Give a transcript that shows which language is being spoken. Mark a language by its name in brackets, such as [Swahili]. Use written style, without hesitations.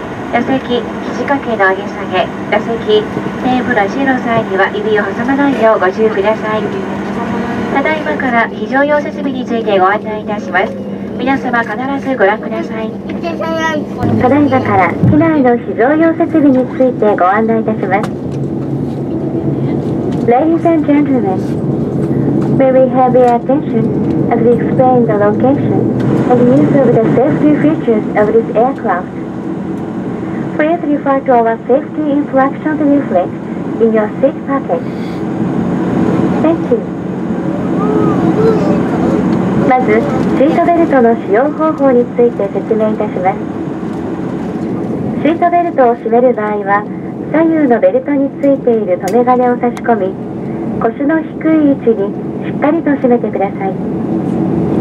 [Japanese] 座席肘掛けの上げ下げ、座席テーブル足の際には指を挟まないようご注意ください。ただいまから非常用設備についてご案内いたします。皆様必ずご覧ください。ただいまから機内の非常用設備についてご案内いたします。 [English] Ladies and gentlemen, may we have your attention as we explain the location and use of the safety features of this aircraftPlease refer to our safety instruction leaflet in your seat packet. Thank you. [Japanese] まず、シートベルトの使用方法について説明いたします。シートベルトを締める場合は、左右のベルトについている留め金を差し込み、腰の低い位置にしっかりと締めてください。